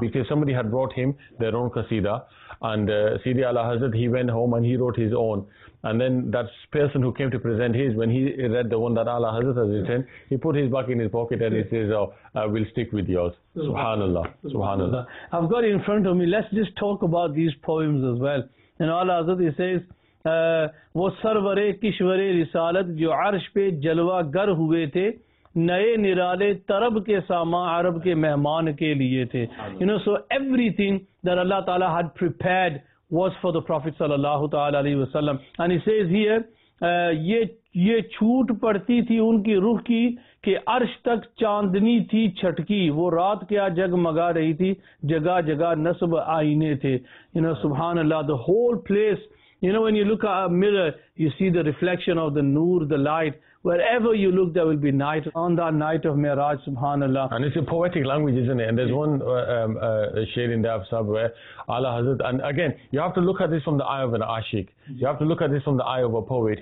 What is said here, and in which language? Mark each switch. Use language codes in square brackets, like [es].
[en] Because somebody had brought him their own Qasidah. And Sidi Ala Hazrat, he went home and he wrote his own. And then that person who came to present his, when he read the one that Ala Hazrat has written, he put his back in his pocket and he says, oh, I will stick with yours. SubhanAllah. SubhanAllah. I've got in front of me, let's just talk about these poems as well. And Ala Hazrat, he says, [ur] وہ سرورِ کشورِ رسالت جو عرش پہ جلوہ گر ہوئے تھے نئے نرالے طرب کے سامان عرب کے مہمان کے لیے تھے. [en] You know, so everything that Allah Ta'ala had prepared was for the Prophet sallallahu ta'ala alayhi wa sallam. And he says here, [ur] یہ چھوٹ پڑتی تھی ان کی روح کی کہ عرش تک چاندنی تھی چھٹکی وہ رات کیا جگ مگا رہی تھی جگہ جگہ نصب آئینے تھے. [en] You know, subhanallah, the whole place You know, when you look at a mirror, you see the reflection of the nur, the light. Wherever you look, there will be night on that night of Miraj, subhanAllah. And it's a poetic language, isn't it? And there's one shade in there somewhere, Allah Hazrat. And again, you have to look at this from the eye of an ashik. You have to look at this from the eye of a poet.